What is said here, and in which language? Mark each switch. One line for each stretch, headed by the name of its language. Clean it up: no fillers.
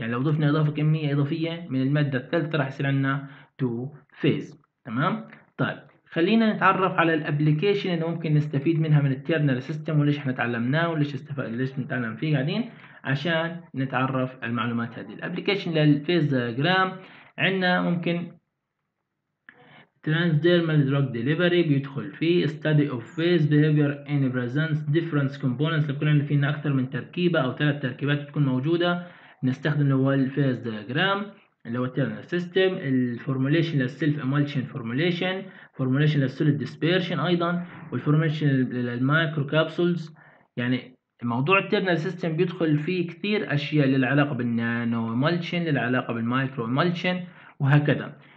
Arabic: يعني لو ضفنا اضافه كميه اضافيه من الماده الثالثه راح يصير عندنا تو فيز. تمام. طيب خلينا نتعرف على الابلكيشن اللي ممكن نستفيد منها من التيرنال سيستم، وليش احنا تعلمناه، وليش ليش نتعلم فيه قاعدين عشان نتعرف المعلومات هذه. الابلكيشن للفيز جرام عندنا ممكن
English: Transdermal drug delivery
Arabic: بيدخل فيه،
English: study of phase behavior in presents different components.
Arabic: لو كنا عندنا فينا أكثر من تركيبة أو ثلاث تركيبات تكون موجودة نستخدم اللي هو الفيز ديجرام اللي هو ترنال سيستم، الفورموليشن للسيلف امولشن فورموليشن، فورموليشن للسوليد ديسبيرشن أيضا، والفورموليشن للمايكرو كابسولز. يعني موضوع الترنال سيستم بيدخل فيه كثير أشياء للعلاقة بالنانو امولشن، للعلاقة بالمايكرو امولشن وهكذا.